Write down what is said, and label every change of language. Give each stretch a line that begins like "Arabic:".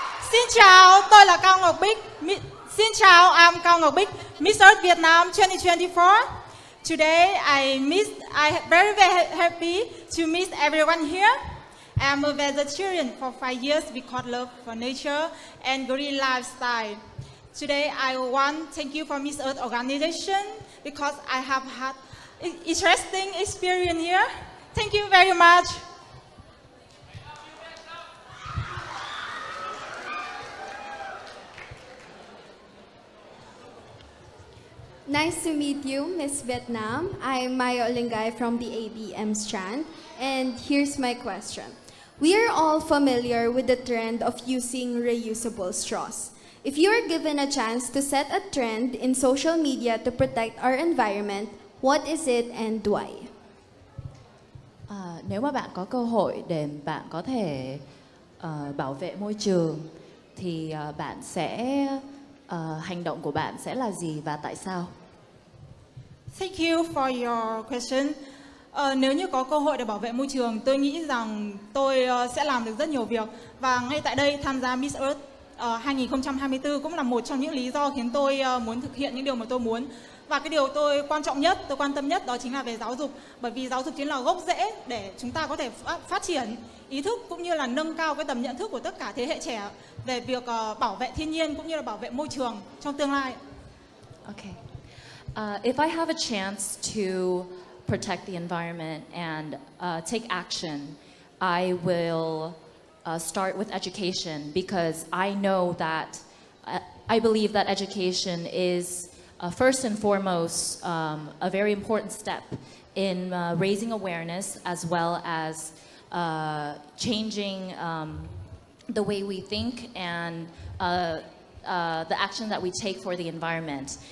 Vietnamese: Xin chào, tôi là Cao Ngọc Bích. Xin chào,
English: I'm Cao Ngọc Bích, Miss Earth Vietnam 2024. Today I'm very happy to meet everyone here. I'm a vegetarian for 5 years because love for nature and green lifestyle. Today I want to thank you for Miss Earth organization because I have had interesting experience here. Thank you very much. Nice to meet you, Miss Vietnam. I'm Maya Olingay from the ABM strand. And here's my question. We are all familiar with the trend of using reusable straws. If you are given a chance to set a trend in social media to protect our environment, what is it and why?
Vietnamese: Nếu mà bạn có cơ hội để bạn có thể bảo vệ môi trường, thì bạn sẽ hành động của bạn sẽ là gì và tại sao?
English: Thank you for your question.
Vietnamese: Nếu như có cơ hội để bảo vệ môi trường, tôi nghĩ rằng tôi sẽ làm được rất nhiều việc. Và ngay tại đây, tham gia Miss Earth 2024 cũng là một trong những lý do khiến tôi muốn thực hiện những điều mà tôi muốn. Và cái điều tôi quan trọng nhất, tôi quan tâm nhất đó chính là về giáo dục. Bởi vì giáo dục chính là gốc rễ để chúng ta có thể phát triển ý thức cũng như là nâng cao cái tầm nhận thức của tất cả thế hệ trẻ về việc bảo vệ thiên nhiên cũng như là bảo vệ môi trường trong tương lai. Okay.
English: If I have a chance to protect the environment and take action, I will start with education because I know that, I believe that education is first and foremost a very important step in raising awareness as well as changing the way we think and the action that we take for the environment.